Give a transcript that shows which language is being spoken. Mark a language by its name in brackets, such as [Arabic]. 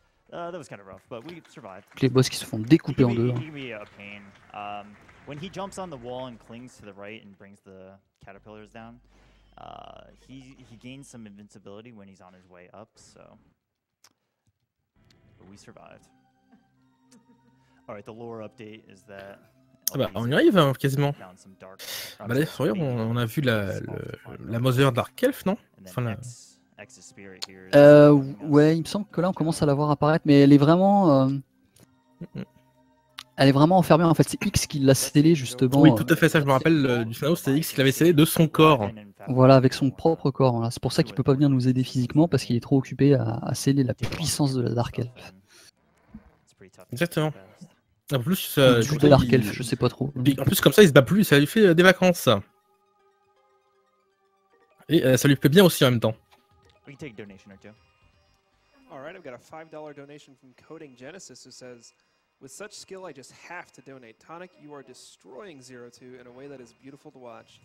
[French] Donc les boss qui se font découper en deux. Hein. [English] When he jumps on the wall and clings to the right and brings the caterpillars down, he gains some invincibility when he's on his way up, so... But we survived. All right, the lore update is that... [French] Ah bah, on y arrive, hein, quasiment. Bah là, regarde, on a vu la Mother Dark Elf, non? Enfin, la... Ouais, il me semble que là, on commence à la voir apparaître, mais elle est vraiment... Elle est vraiment enfermée, en fait, c'est X qui l'a scellée, justement. Oui, tout à fait, ça, je me rappelle du scénario, c'était X qui l'avait scellée de son corps. Voilà, avec son propre corps. Voilà. C'est pour ça qu'il peut pas venir nous aider physiquement, parce qu'il est trop occupé à sceller la puissance de la Dark Elf. Exactement. En plus, de l'Arc Elf, je sais pas trop. En plus, comme ça, il se bat plus, ça lui fait des vacances. Et ça lui plaît bien aussi en même temps. [English] Alright, I've got a $5 donation from Coding Genesis who says... With such skill, I just have to donate. Tonic, you are destroying 02 in a way that is beautiful to watch.